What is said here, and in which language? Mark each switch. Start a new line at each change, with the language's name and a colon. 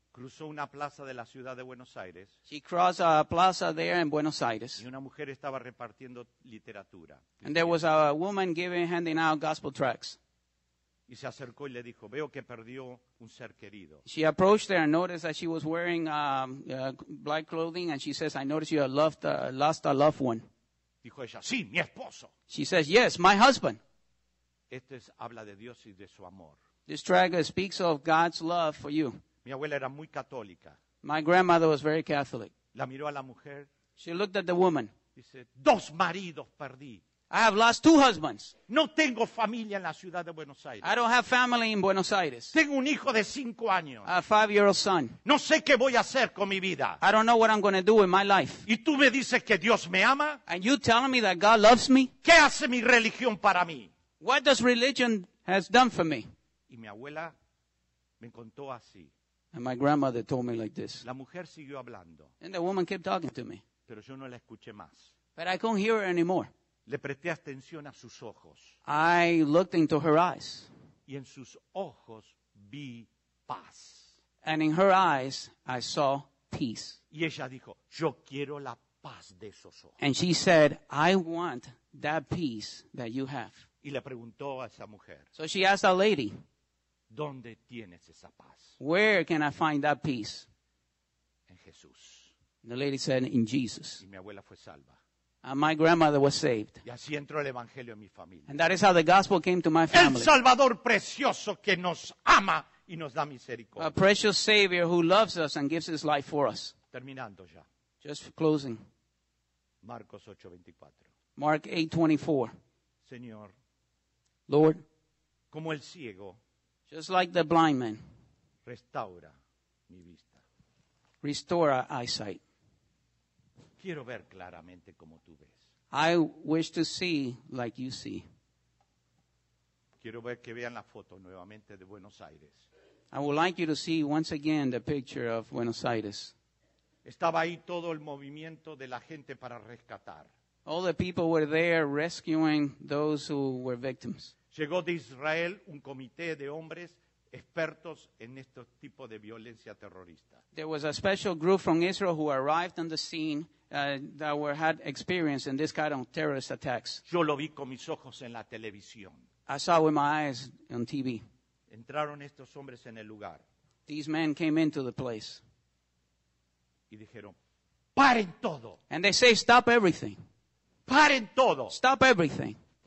Spanish: Cruzó una plaza de la ciudad de Buenos Aires.
English: She crossed a plaza there in Buenos Aires.
Spanish: Y una mujer estaba repartiendo literatura.
English: And there was a woman giving, handing out gospel tracts.
Spanish: Y se acercó y le dijo, veo que perdió un ser querido.
English: She approached her and noticed that she was wearing black clothing, and she says, I noticed you have lost a loved one.
Spanish: Dijo ella, sí, mi esposo.
English: She says, yes, my husband.
Spanish: Este es, habla de Dios y de su amor.
English: This tract speaks of God's love for you.
Spanish: Mi abuela era muy católica.
English: My grandmother was very Catholic.
Spanish: La miró a la mujer.
English: She looked at the woman.
Spanish: Dice, dos maridos perdí.
English: I have lost two husbands.
Spanish: No tengo familia en la ciudad de Buenos Aires.
English: I don't have family in Buenos Aires.
Spanish: Tengo un hijo de cinco años.
English: A five-year-old son.
Spanish: No sé qué voy a hacer con mi vida.
English: I don't know what I'm going to do in my life.
Spanish: ¿Y tú me dices que Dios me ama?
English: And you telling me that God loves me?
Spanish: ¿Qué hace mi religión para mí?
English: What does religion has done for me?
Spanish: Y mi abuela me contó así.
English: And my grandmother told me like this.
Spanish: La mujer siguió hablando.
English: And the woman kept talking to me.
Spanish: Pero yo no la escuché más.
English: But I couldn't hear her anymore.
Spanish: Le presté atención a sus ojos.
English: I looked into her eyes.
Spanish: Y en sus ojos vi paz.
English: And in her eyes, I saw peace.
Spanish: Y ella dijo, yo quiero la paz de esos ojos.
English: And she said, I want that peace that you have.
Spanish: Y le preguntó a esa mujer.
English: So she asked that lady,
Spanish: ¿dónde tienes esa paz?
English: Where can I find that peace?
Spanish: En Jesús.
English: And the lady said, in Jesus.
Spanish: Y mi abuela fue salva.
English: And my grandmother was saved.
Spanish: Y así entró el evangelio en mi familia.
English: And that is how the gospel came to my family.
Spanish: El Salvador precioso que nos ama y nos da misericordia.
English: A precious Savior who loves us and gives his life for us.
Spanish: Terminando ya.
English: Just closing.
Spanish: Marcos 8:24.
English: Mark 8:24.
Spanish: Señor.
English: Lord.
Spanish: Como el ciego.
English: Just like the blind man.
Spanish: Restaura mi vista.
English: Restore our eyesight.
Spanish: Quiero ver claramente como tú ves.
English: I wish to see like you see.
Spanish: Quiero ver que vean la foto nuevamente de Buenos Aires.
English: I would like you to see once again the picture of Buenos Aires.
Spanish: Estaba ahí todo el movimiento de la gente para rescatar.
English: All the people were there rescuing those who were victims.
Spanish: Llegó de Israel un comité de hombres expertos en este tipo de violencia terrorista.
English: There was a special group from Israel who arrived on the scene that were had experience in this kind of terrorist attacks.
Spanish: Yo lo vi con mis ojos en la televisión.
English: I saw with my eyes on TV.
Spanish: Entraron estos hombres en el lugar.
English: These men came into the place.
Spanish: Y dijeron, paren todo.
English: And they say, stop everything.
Spanish: Paren todo.
English: Stop everything.